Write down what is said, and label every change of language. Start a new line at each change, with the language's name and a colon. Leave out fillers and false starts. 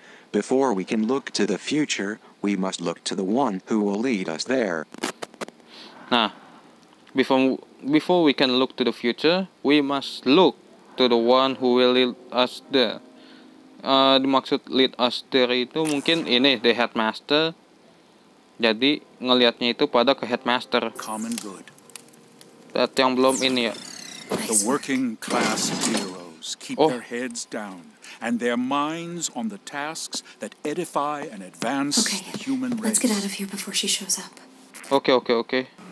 English: Before we can look to the future, we must look to the one who will lead us there. Nah, before we can look to the future, we must look to the one who will lead us there.
Indonesian: Dimaksud
English: lead us there
Indonesian: itu mungkin ini the headmaster. Jadi ngelihatnya itu pada ke headmaster.
English: Common good.
Indonesian: That yang belum ini ya.
English: The working class heroes keep their heads down and their minds on the tasks that edify and advance the human race. Let's get out of here before she shows up. Okay.